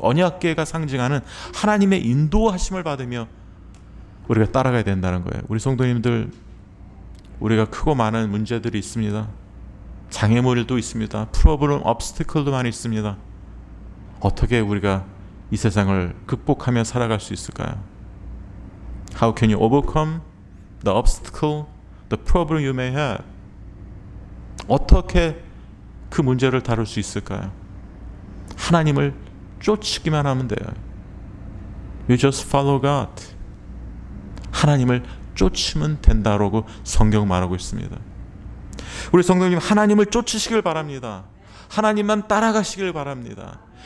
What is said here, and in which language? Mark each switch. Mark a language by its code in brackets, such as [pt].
[ko] 언약궤가 상징하는 하나님의 인도하심을 받으며 우리가 따라가야 된다는 거예요. 우리 성도님들, 우리가 크고 많은 문제들이 있습니다. 장애물도 있습니다. 프로블럼, 업스티클도 많이 있습니다. 어떻게 우리가 이 세상을 극복하며 살아갈 수 있을까요? [en] How can you overcome the obstacle, the problem you may have? [ko] 어떻게 그 문제를 다룰 수 있을까요? 하나님을 쫓기만 하면 돼요. [en] You just follow God. [ko] 하나님을 쫓으면 된다라고 성경은 말하고 있습니다. 우리 성도님, 하나님을 쫓으시길 바랍니다. 하나님만 따라가시길 바랍니다.